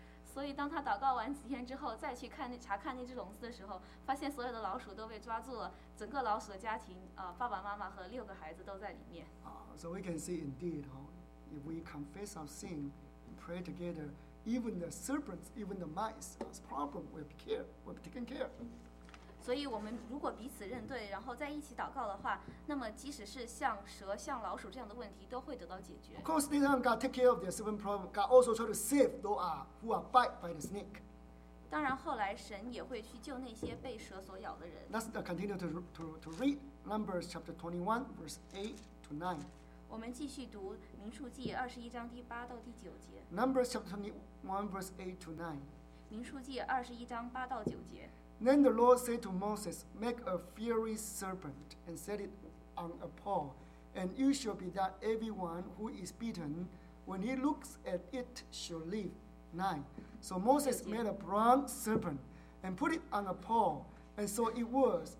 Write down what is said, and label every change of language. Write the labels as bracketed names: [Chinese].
[English] So, when he prayed for 10 days, he went to check the cage and found all the mice were caught. The whole family, father, mother, and six children were in it. So we can see indeed, if we confess our sin and pray together, even the serpents, even the mice, our problem will be taken care of. [Chinese] 所以我们如果彼此认对，然后在一起祷告的话，那么即使是像蛇、像老鼠这样的问题，都会得到解决。 [English] Of course, later on, God take care of their seven problems. God also try to save those who are bite by the snake. [Chinese] 当然，后来神也会去救那些被蛇所咬的人。 [English] Let's continue to read Numbers chapter 21, verse 8 to 9. [Chinese] 我们继续读民数记二十一章第八到第九节。 [English] Numbers chapter 21, verse 8 to 9. [Chinese] 民数记二十一章八到九节。 [English] Then the Lord said to Moses, Make a fiery serpent and set it on a pole, and it shall be that everyone who is bitten, when he looks at it, shall live. 9. So Moses made a bronze serpent and put it on a pole, and so it was.